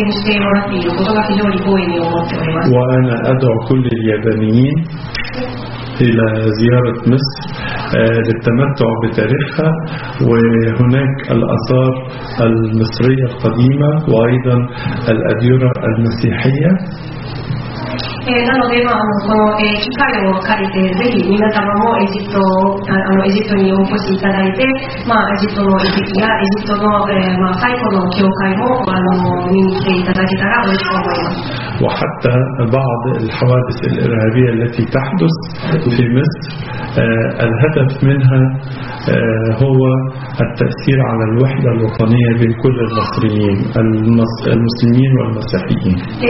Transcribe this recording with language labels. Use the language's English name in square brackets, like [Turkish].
[Arabic] وأنا أدعو كل اليابانيين إلى زيارة مصر للتمتع بتاريخها وهناك الآثار المصرية القديمة وأيضا الأديرة المسيحية. [Japanese] なので、この機会を借りてぜひ皆様もエジプトをエジプトにお越しいただいて、エジプトの遺跡やエジプトの、最古の教会も見に来ていただけたら嬉しく思います。 [Arabic] وحتى بعض الحوادث الإرهابية التي تحدث في مصر الهدف منها هو التأثير على الوحدة الوطنية بين كل المصريين المسلمين والمسيحيين.